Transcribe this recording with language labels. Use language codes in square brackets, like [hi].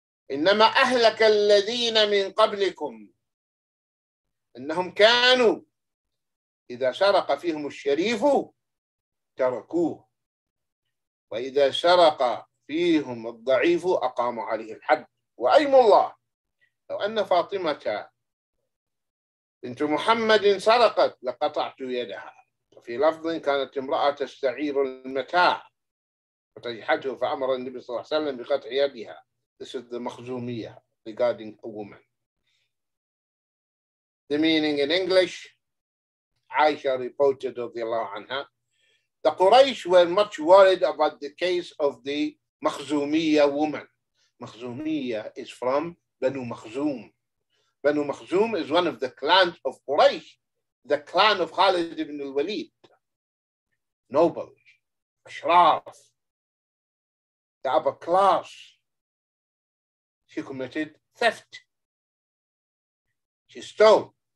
[ar] إنما أهلك الذين من قبلكم إنهم كانوا إذا سرق فيهم الشريف تركوه وإذا سرق فيهم الضعيف أقاموا عليه الحد وأيم الله لو أن فاطمة بنت محمد سرقت لقطعت يدها وفي لفظ كانت امرأة تستعير المتاع فتجحته فأمر النبي صلى الله عليه وسلم بقطع يدها. [en] This is the مخزومية regarding a woman. The meaning in English, Aisha reported رضي الله عنها, the Quraysh were much worried about the case of the مخزومية woman. مخزومية is from بنو مخزوم. بنو مخزوم is one of the clans of Quraysh, the clan of Khalid ibn al-Walid. Nobles, أشراف, the upper class. She committed theft. She stole.